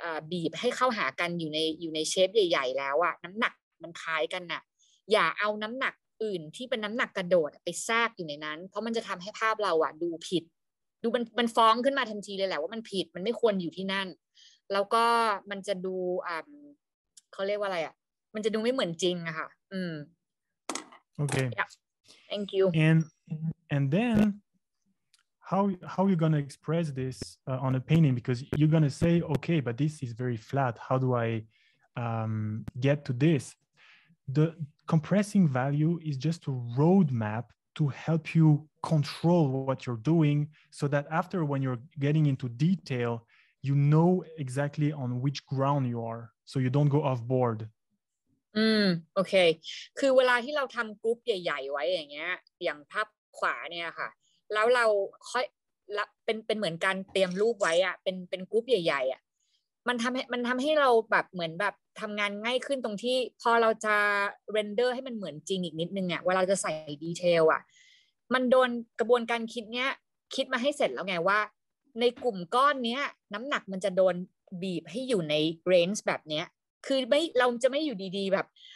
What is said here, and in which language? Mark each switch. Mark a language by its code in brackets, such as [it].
[th] บีบให้เข้าหากันอยู่ในเชฟใหญ่ๆแล้วอ่ะน้ำหนักมันคล้ายกันน่ะอย่าเอาน้ำหนักอื่นที่เป็นน้ำหนักกระโดดไปแทรกอยู่ในนั้นเพราะมันจะทำให้ภาพเราอ่ะดูผิดดูมันฟ้องขึ้นมาทันทีเลยแหละว่ามันผิดมันไม่ควรอยู่ที่นั่นแล้วก็มันจะดูเขาเรียกว่าอะไรอ่ะมันจะดูไม่เหมือนจริงอะค่ะ [en] Okay. Yeah. Thank you. And then how you gonna express this on a painting? Because you're gonna say okay, but this is very flat. How do I get to this? The compressing value is just a roadmap. To help you control what you're doing, so that after when you're getting into detail, you know exactly on which ground you are, so you don't go off board. Okay. [th] คือเวลาที่เราทำกรุ๊ปใหญ่ๆไว้อย่างเงี้ยอย่างภาพขวาเนี่ยค่ะแล้วเราค่อยเป็นเหมือนการเตรียมรูปไว้อะเป็นกรุ๊ปใหญ่ๆอะมันทำให้เราแบบเหมือนแบบทำงานง่ายขึ้นตรงที่พอเราจะเรนเดอร์ให้มันเหมือนจริงอีกนิดนึงอ่ะว่าเราจะใส่ดีเทลอ่ะมันโดนกระบวนการคิดเนี้ยคิดมาให้เสร็จแล้วไงว่าในกลุ่มก้อนเนี้ยน้ำหนักมันจะโดนบีบให้อยู่ในเรนจ์แบบเนี้ยคือไม่เราจะไม่อยู่ดีๆแบบ